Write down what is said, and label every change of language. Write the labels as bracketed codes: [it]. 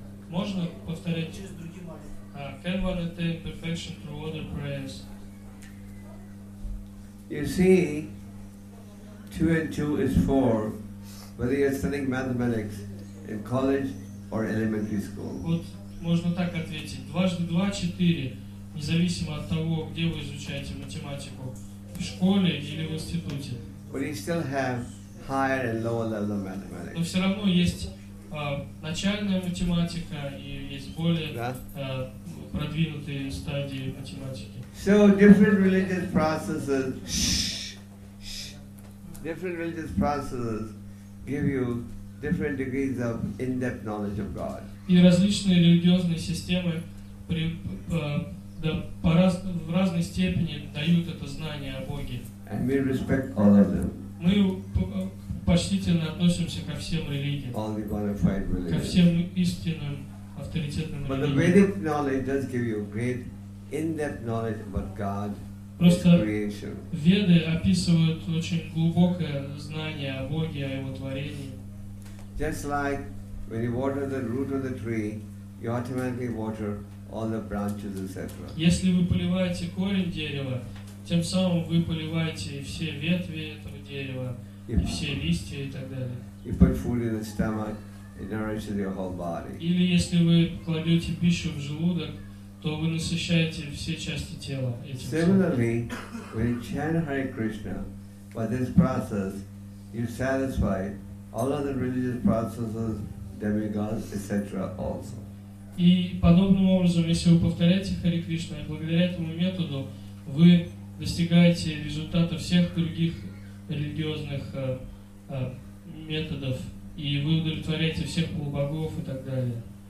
[ru] Можно повторять? Через другие молитвы. [en] Can one attain perfection through other prayers? You see, 2 and 2 is 4, whether you're studying mathematics in college or elementary school. [ru] Вот можно так ответить. 2 × 2 = 4, независимо от того, где вы изучаете математику, в школе или в институте. [en] But you still have higher and lower level of mathematics. [ru] Но все равно есть начальная математика и есть более продвинутые стадии математики. [en] So different religious processes. Different religious processes give you different degrees of in-depth knowledge of God. [ru] И различные религиозные системы в разной степени дают это знание о Боге. [en] And we respect all of them. [ru] Мы почтительно относимся ко всем религиям. [en] All the bona fide religions. [ru] Ко всем истинным авторитетным религиям. [en] But the Vedic knowledge does give you great in-depth knowledge about God. [ru] Просто веды описывают очень глубокое знание о Боге, о Его творении. [en] Just like when you water the root of the tree, you automatically water all the branches, etc. [ru] Если вы поливаете корень дерева, тем самым вы поливаете все ветви этого дерева, и все листья и так далее. [en] You put food in the stomach, it nourishes your whole body. [ru] Или если вы кладете пищу в желудок, то вы насыщаете все части тела этим. [en] Similarly, when you chant Hare Krishna, by this process, you satisfy all other religious processes, demigods, etc. also. [ru] И подобным образом, если вы повторяете Хари Кришна, и благодаря этому методу вы достигаете результата всех других религиозных методов, и вы удовлетворяете всех полубогов и так далее.